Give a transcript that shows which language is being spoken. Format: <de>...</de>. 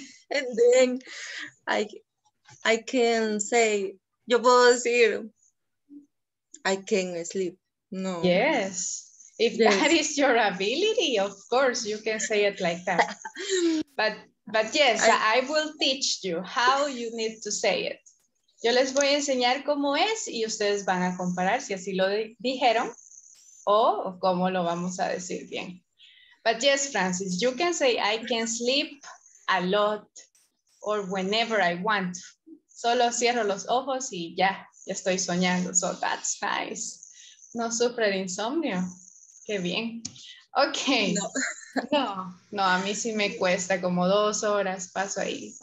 <en>And then I can say,</en> <es>yo puedo decir,</es> <en>I can sleep. No. Yes. If yes. That is your ability, of course you can say it like that. But yes, I will teach you how you need to say it.</en> <es>Yo les voy a enseñar cómo es y ustedes van a comparar si así lo dijeron o cómo lo vamos a decir bien.</es> <en>But yes, Francis, you can say I can sleep a lot or whenever I want.</en> <es>Solo cierro los ojos y ya, ya estoy soñando.</es> <en>So that's nice.</en> <es>No sufre de insomnio. Qué bien. Okay. No, a mí sí me cuesta como 2 horas, paso ahí.</es>